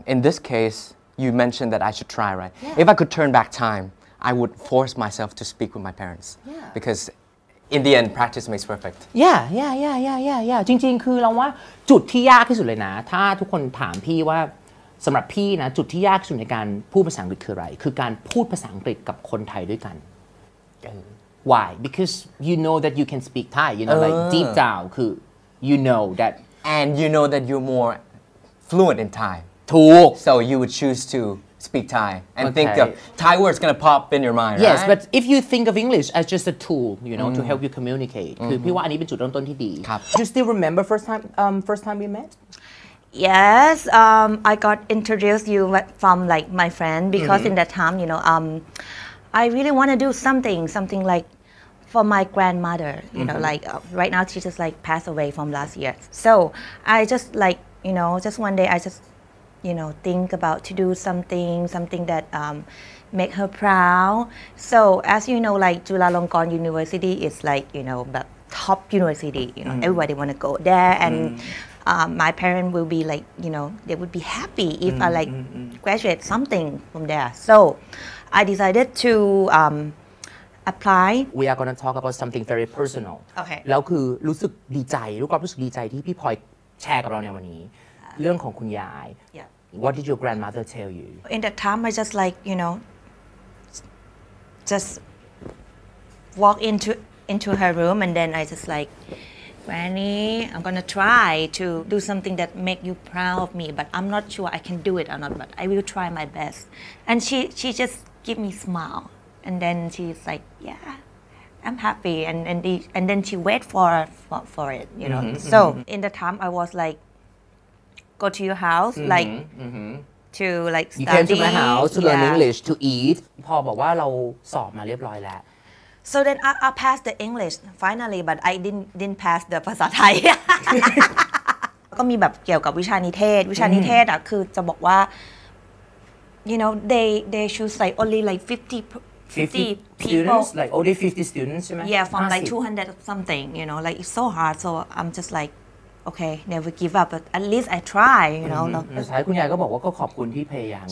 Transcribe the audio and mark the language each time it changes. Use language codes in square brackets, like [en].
[en] in this case, you mentioned that I should try, right? Yeah. If I could turn back time, I would force myself to speak with my parents. Yeah. Because in the end, practice makes perfect. Yeah. [th] จริงๆคือเราว่าจุดที่ยากที่สุดเลยนะถ้าทุกคนถามพี่ว่าสำหรับพี่นะจุดที่ยากที่สุดในการพูดภาษาอังกฤษคืออะไรคือการพูดภาษาอังกฤษกับคนไทยด้วยกัน [en] Why? Because you know that you can speak Thai, you know, like deep down, you know that. And you know that you're more fluent in Thai. Talk. So you would choose to speak Thai and think of Thai words gonna pop in your mind, yes, right? Yes, but if you think of English as just a tool, you know, to help you communicate, [th] คือพี่ว่าอันนี้เป็นจุดเริ่มต้นที่ดี ครับ [en] Do you still remember first time we met? Yes, I got introduced you from like my friend because in that time, you know, I really want to do something like for my grandmother, you know, like right now she just like passed away from last year. So I just like, you know, just one day I just, you know, think about to do something that make her proud. So as you know, like Chulalongkorn University is like, you know, the top university, you know, everybody want to go there. And my parents will be like, you know, they would be happy if I like graduate something from there. So. I decided to apply. We are going to talk about something very personal. Okay. [th] แล้วคือรู้สึกดีใจลูกก็รู้สึกดีใจที่พี่พลอยแชร์กับเราในวันนี้เรื่องของคุณยาย [en] Yeah. What did your grandmother tell you? In that time, I just like, you know, just walk into her room and then I just like, Granny, I'm going to try to do something that make you proud of me, but I'm not sure I can do it or not, but I will try my best. And she justgive me smile and then she's like yeah I'm happy and then she wait for it you know so in the time I was like go to your house like to like study you came to my house to learn English to eat [th] พอบอกว่าเราสอบมาเรียบร้อยแล้ว [en] so then I passed the English finally but I didn't pass the [th] ภาษาไทยก็มีแบบเกี่ยวกับวิชานิเทศอ่ะคือจะบอกว่า [en] You know, they choose like only like 50 students, like only 50 students, right? Yeah, from like 200 or something, you know, like it's so hard. So I'm just like, okay, never give up, but at least I try, you know. [th] ใช่คุณยายก็บอกว่าก็ขอบคุณที่พยายาม